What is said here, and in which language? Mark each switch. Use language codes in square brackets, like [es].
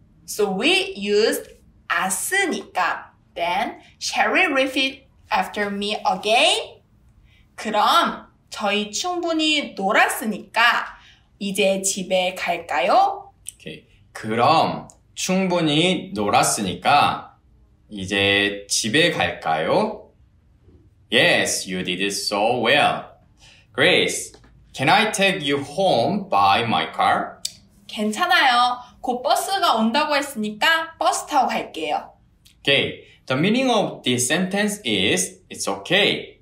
[en] So we used 왔으니까. Then, shall we repeat after me again? [ko] 그럼 저희 충분히 놀았으니까 이제 집에 갈까요? [en] Okay. [ko] 그럼 충분히 놀았으니까 이제 집에 갈까요? [en] Yes, you did it so well. Grace, can I take you home by my car? [ko] 괜찮아요. 곧 버스가 온다고 했으니까 버스 타고 갈게요. [en] Okay, the meaning of this sentence is it's okay.